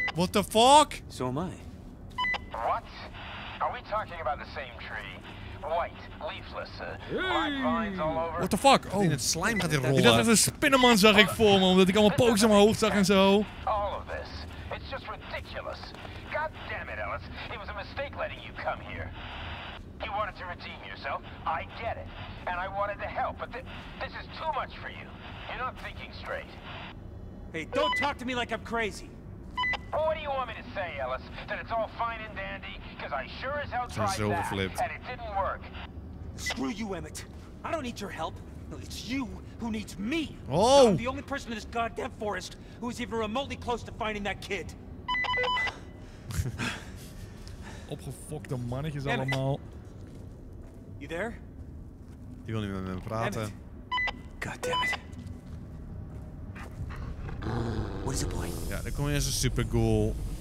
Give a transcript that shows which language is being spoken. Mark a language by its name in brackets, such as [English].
[English] What the fuck? So am I. What? Are we talking about the same tree? White, leafless, black vines all over. What the fuck? [Dutch] Oh, in het slijm gaat hier rollen. Ik dacht dat een spinnenman zag ik voor me, omdat ik allemaal pokes aan mijn hoofd zag en zo. [English] All of this. It's just ridiculous. God damn it, Ellis. It was a mistake letting you come here. You wanted to redeem yourself. I get it. And I wanted to help, but this is too much for you. You're not thinking straight. Hey, don't talk to me like I'm crazy. What do you want me to say, Ellis? That it's all fine and dandy? Because I sure as hell tried so that, flipped. And it didn't work. Screw you, Emmett. I don't need your help. No, it's you who needs me. Oh! I'm the only person in this goddamn forest who is even remotely close to finding that kid. [Dutch] Opgefokte mannetjes allemaal. [English] You there? [Dutch] Die wil niet met me praten. [English] Goddammit. What is the point? [Dutch] Ja, daar kom je als een super ghoul.